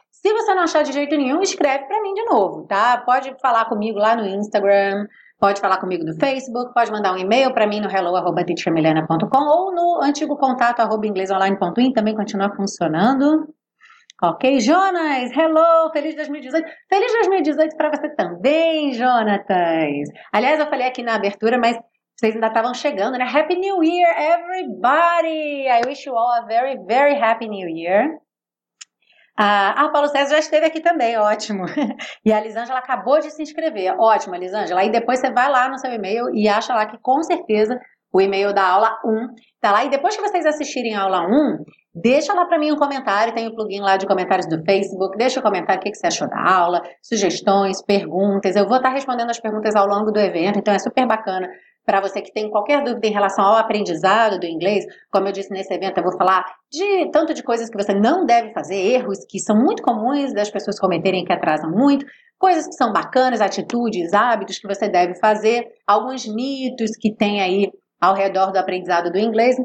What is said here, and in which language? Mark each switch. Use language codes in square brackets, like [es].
[pt] Se você não achar de jeito nenhum, escreve para mim de novo, tá? Pode falar comigo lá no Instagram, pode falar comigo no Facebook, pode mandar um e-mail para mim no hello@teachermilena.com ou no antigo contato @inglesonline.in, também continua funcionando. Ok, Jonas, hello, feliz 2018. Feliz 2018 para você também, Jonatas. Aliás, eu falei aqui na abertura, mas vocês ainda estavam chegando, né? [en] Happy New Year, everybody! I wish you all a very, very happy New Year. [pt] Ah, Paulo César já esteve aqui também, ótimo. E a Lisângela acabou de se inscrever. Ótimo, Lisângela. E depois você vai lá no seu e-mail e acha lá que, com certeza, o e-mail da aula 1 tá lá. E depois que vocês assistirem a aula 1... deixa lá para mim um comentário, tem o plugin lá de comentários do Facebook, deixa um comentário o que você achou da aula, sugestões, perguntas, eu vou estar respondendo as perguntas ao longo do evento, então é super bacana para você que tem qualquer dúvida em relação ao aprendizado do inglês, como eu disse nesse evento, eu vou falar de tanto de coisas que você não deve fazer, erros que são muito comuns das pessoas cometerem que atrasam muito, coisas que são bacanas, atitudes, hábitos que você deve fazer, alguns mitos que tem aí, ao redor do aprendizado do inglês.